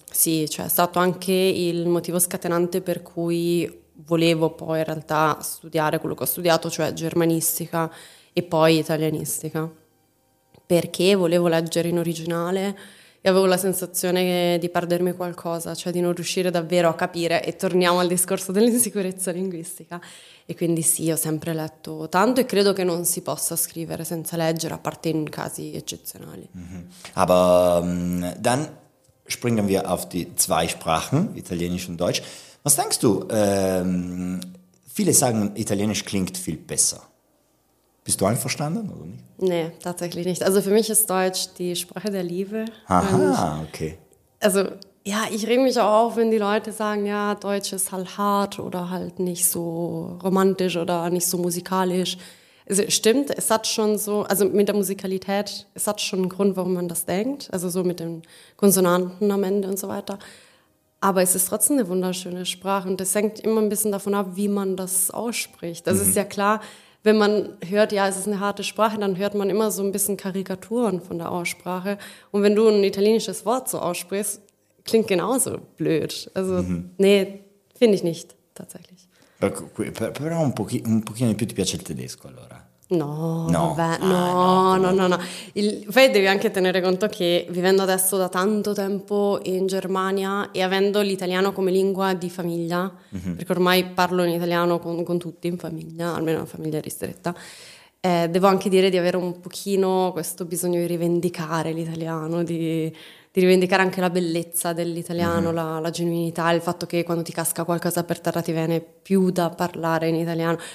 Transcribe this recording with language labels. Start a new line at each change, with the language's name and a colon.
Italian: Sì, cioè è stato anche il motivo scatenante per cui volevo poi in realtà studiare quello che ho studiato, cioè germanistica e poi italianistica, perché volevo leggere in originale e avevo la sensazione di perdermi qualcosa, cioè di non riuscire davvero a capire, e torniamo al discorso dell'insicurezza linguistica. E quindi sì, ho sempre letto tanto e credo che non si possa scrivere senza leggere, a parte in casi eccezionali. Mm-hmm.
German: Aber dann springen wir auf die zwei Sprachen, Italienisch und Deutsch. Was denkst du? Viele sagen, Italienisch klingt viel besser. Bist du einverstanden oder nicht? Nee, tatsächlich nicht. Also für mich ist Deutsch die Sprache der Liebe. Aha, okay. Also ja, ich reg mich auch auf, wenn die Leute sagen, ja, Deutsch ist halt hart oder halt nicht so romantisch oder nicht so musikalisch. Also, stimmt, es hat schon so, also mit der Musikalität, es hat schon einen Grund, warum man das denkt. Also so mit den Konsonanten am Ende und so weiter. Aber es ist trotzdem eine wunderschöne Sprache und das hängt immer ein bisschen davon ab, wie man das ausspricht. Das ist ja klar, wenn man hört, ja, es ist eine harte Sprache, dann hört man immer so ein bisschen Karikaturen von der Aussprache. Und wenn du ein italienisches Wort so aussprichst, klingt genauso blöd. Also, nee, finde ich nicht, tatsächlich.
Italian: Però un pochino di più ti piace il tedesco, allora? No, no. Vabbè, no, ah, no, no, no, no. Poi devi anche tenere conto che vivendo adesso da tanto tempo in Germania e avendo l'italiano come lingua di famiglia, perché ormai parlo in italiano con tutti in famiglia, almeno una famiglia ristretta, devo anche dire di avere un pochino questo bisogno di rivendicare l'italiano, di rivendicare anche la bellezza dell'italiano, la genuinità, il fatto che quando ti casca qualcosa per terra ti viene più da parlare in italiano.